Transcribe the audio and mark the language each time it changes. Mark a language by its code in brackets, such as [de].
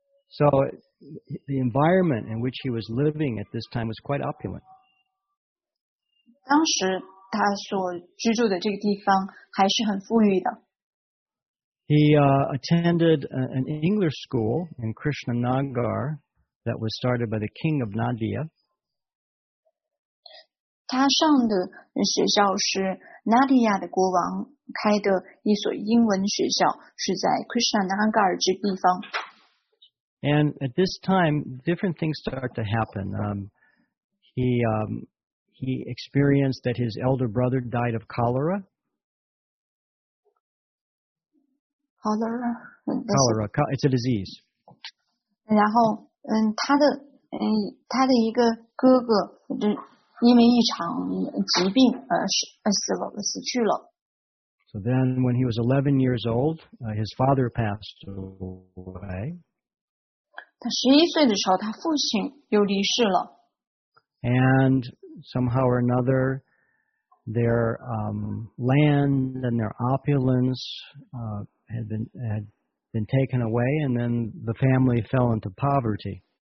[en] So the environment in which he was living at this time was quite opulent. [zh] 当时他所居住的这个地方还是很富裕的。 [en] He attended an English school in Krishnanagar that was started by the king of Nadia. [zh] 他上的学校是 Nadia 的国王开的一所英文学校，是在 Krishnanagar 这地方。 [en] And at this time, different things start to happen. He experienced that his elder brother died of cholera. Cholera. It's a disease. [zh] 然后，他的一个哥哥因为一场疾病死去了。 [en] So then, when he was 11 years old, his father passed away. [zh] 他11岁的时候，他父亲又离世了。 [en] And somehow or another, their land and their opulence had been taken away, and then the family fell into poverty.